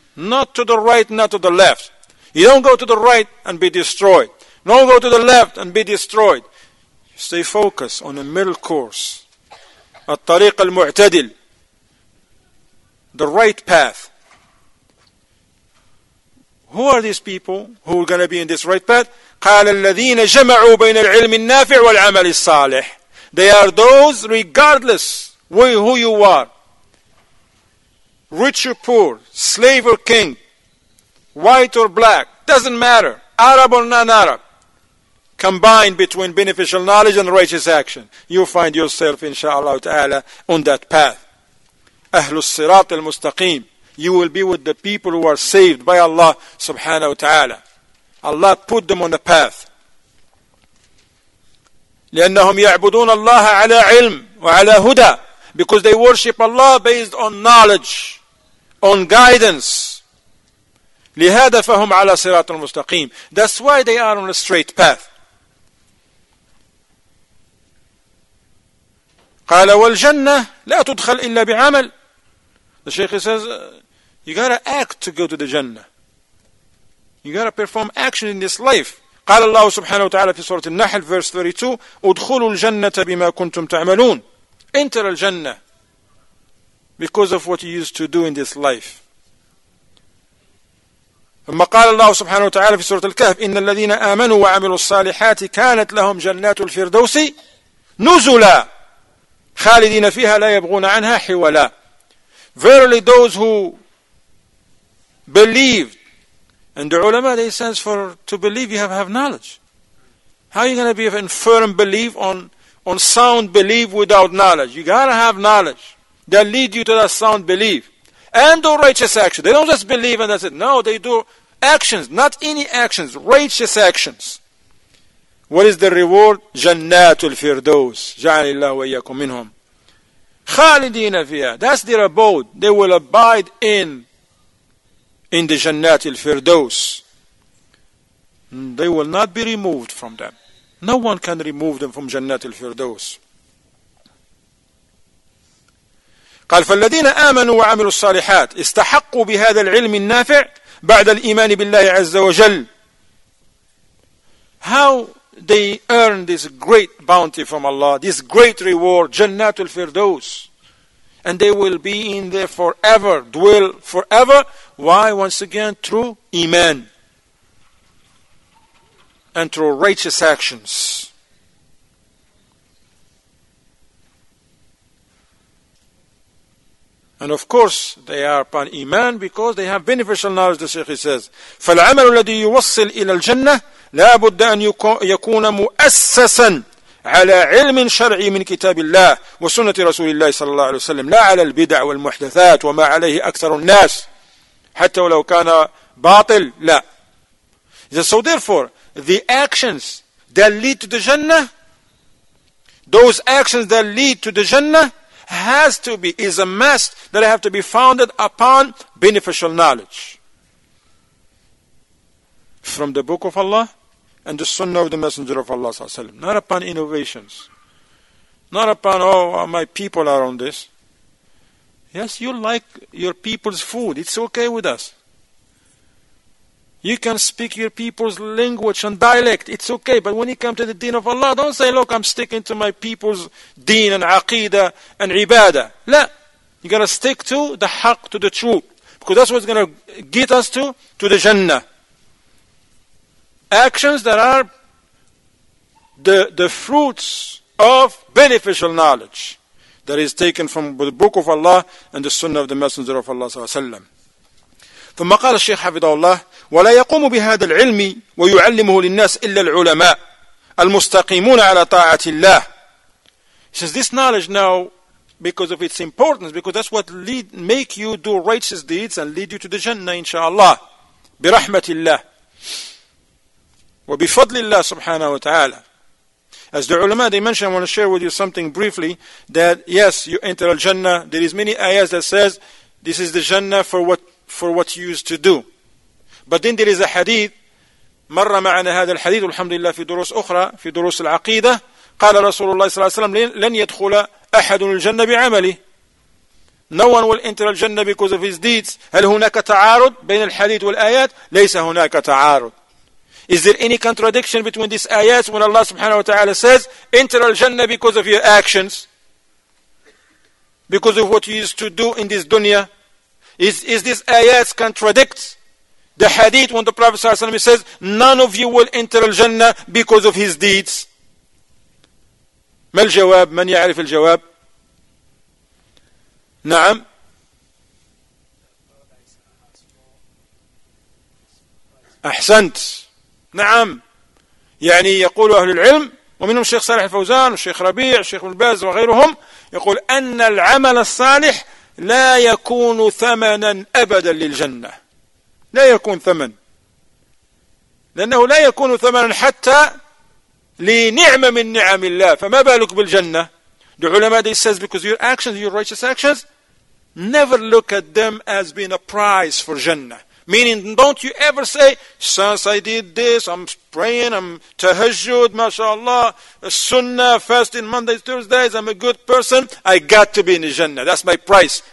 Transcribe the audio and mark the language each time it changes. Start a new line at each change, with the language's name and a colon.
English: Not to the right, not to the left. You don't go to the right and be destroyed. Don't go to the left and be destroyed. Stay focused on the middle course.
Arabic: الطريق المعتدل.
English: The right path. Who are these people who are going to be in this right path?
Arabic: قال الذين جمعوا بين العلم النافع والعمل الصالح.
English: They are those, regardless who you are, rich or poor, slave or king, white or black, doesn't matter, Arab or non-Arab, combined between beneficial knowledge and righteous action, you find yourself, inshallah ta'ala, on that path. Ahlus sirat al-mustaqim. You will be with the people who are saved by Allah subhanahu wa ta'ala. Allah put them on the path.
Arabic: لأنهم يعبدون الله على علم وعلى هدى.
English: Because they worship Allah based on knowledge, on guidance.
Arabic: لهذا فهم على صراط المستقيم.
English: That's why they are on a straight path.
Arabic: قال والجنة لا تدخل إلا بعمل.
English: The Sheikh says, you gotta act to go to the Jannah. You gotta perform action in this life.
Arabic: قال الله سبحانه وتعالى في سورة النحل
English: verse 32,
Arabic: ادخلوا الجنة بما كنتم تعملون.
English: Enter al-Jannah because of what you used to do in this life.
Arabic: ثم قال الله سبحانه وتعالى في سورة الكهف إن الذين آمنوا وعملوا الصالحات كانت لهم جنات الفردوس نزلا خالدين فيها لا يبغون عنها حولا.
English: Verily those who believed, and the ulama, they says for to believe you have knowledge. How are you going to be of infirm belief on sound belief without knowledge? You got to have knowledge that lead you to that sound belief. And do righteous action. They don't just believe and that's it. No, they do actions, not any actions, righteous actions. What is the reward? Jannatul Firdaus.
Arabic: جَعَلِ اللَّهُ وَإِيَّكُمْ مِنْهُمْ خَالِدِينَ فِيهَا.
English: That's their abode. They will abide in the Jannat al-Firdaus. They will not be removed from them. No one can remove them from Jannat al-Firdaus.
Arabic: قال فالذين آمنوا وعملوا الصالحات استحقوا بهذا العلم النافع بعد الإيمان بالله عز وجل.
English: How they earn this great bounty from Allah, this great reward, Jannat al-Firdaus. And they will be in there forever, dwell forever. Why? Once again, through iman and through righteous actions. And of course, they are upon iman because they have beneficial knowledge. The Sheikh says,
Arabic: "فالعمل الذي يوصل إلى الجنة لا بد أن يكون مؤسسا على علم شرعي من كتاب الله وسنة رسول الله صلى الله عليه وسلم لا على البدع والمحدثات وما عليه أكثر الناس." حتى ولو كان باطل لا.
English: So therefore, the actions that lead to the Jannah, those actions that lead to the Jannah, has to be, is a must, that have to be founded upon beneficial knowledge. From the Book of Allah, and the Sunnah of the Messenger of Allah, not upon innovations. Not upon, oh, my people are on this. Yes, you like your people's food. It's okay with us. You can speak your people's language and dialect. It's okay. But when you come to the deen of Allah, don't say, look, I'm sticking to my people's deen and aqidah and ibadah. No. You got to stick to the haq, to the truth. Because that's what's going to get us to the Jannah. Actions that are the fruits of beneficial knowledge that is taken from the Book of Allah and the Sunnah of the Messenger of Allah
Arabic: صلى الله عليه وسلم. ثم قال الشيخ حفظه الله ولا يقوم بهذا العلم ويعلمه للناس إلا العلماء المستقيمون على طاعة الله.
English: He says this knowledge now because of its importance, because that's what lead make you do righteous deeds and lead you to the Jannah
Arabic: إن شاء الله برحمة الله وبفضل الله سبحانه وتعالى.
English: As the ulama, they mentioned, I want to share with you something briefly, that yes, you enter al-Jannah. There is many ayahs that says, this is the Jannah for what you used to do.
Arabic: But then there is a hadith, مر معنا هذا الحديث والحمد لله في دروس أخرى, في دروس العقيدة, قال رسول الله صلى الله عليه وسلم, لن يدخل أحد الجنة بعمله.
English: No one will enter al-Jannah because of his deeds.
Arabic: هل هناك تعارض بين الحديث والآيات؟ ليس هناك تعارض.
English: Is there any contradiction between these ayats when Allah subhanahu wa ta'ala says, enter al-Jannah because of your actions, because of what you used to do in this dunya? Is this ayats contradict the hadith when the Prophet sallallahu alayhi wa sallam says, none of you will enter al-Jannah because of his deeds?
Arabic: ما الجواب؟ من يعرف الجواب؟ نعم. أحسنت. نعم يعني يقول أهل العلم ومنهم الشيخ صالح الفوزان والشيخ ربيع والشيخ بن باز وغيرهم يقول أن العمل الصالح لا يكون ثمنا أبدا للجنة, لا يكون ثمن, لأنه لا يكون ثمنا حتى لنعمة من نعم الله, فما بالك بالجنة.
English: The علماء they says because your actions, your righteous actions, never look at them as being a prize for Jannah. Meaning, don't you ever say, since I did this, I'm praying, I'm tahajjud, mashallah, sunnah, fasting, Mondays, Thursdays, I'm a good person, I got to be in the Jannah. That's my price.